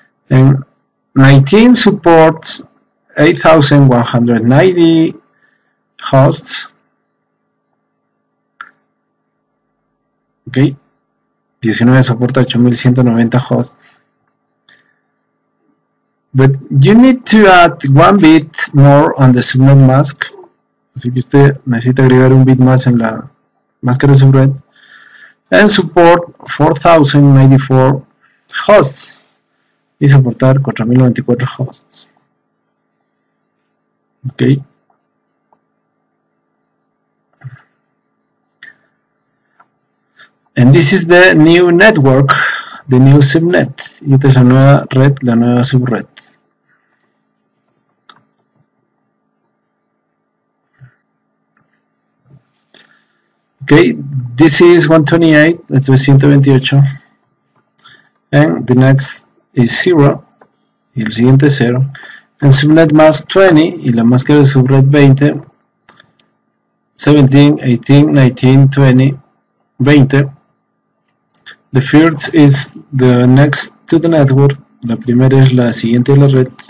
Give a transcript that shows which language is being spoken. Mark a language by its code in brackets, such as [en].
[en] And 19 supports 8,190 hosts. [es] Okay, 19 soporta 8,190 hosts. [en] But you need to add one bit more on the subnet mask. [es] Así que usted necesita agregar un bit más en la máscara de subred. [en] And support 4,094 hosts. [es] Y soportar 4,094 hosts. [en] Okay. And this is the new network, the new subnet. [es] Y esta es la nueva subred. [en] Okay, this is 128, [es] esto es 128. [en] And the next is 0, [es] y el siguiente es 0. [en] And subnet mask 20, [es] y la máscara de subred 20. [en] 17, 18, 19, 20, 20. The first is the next to the network. [es] La primera es la siguiente de la red.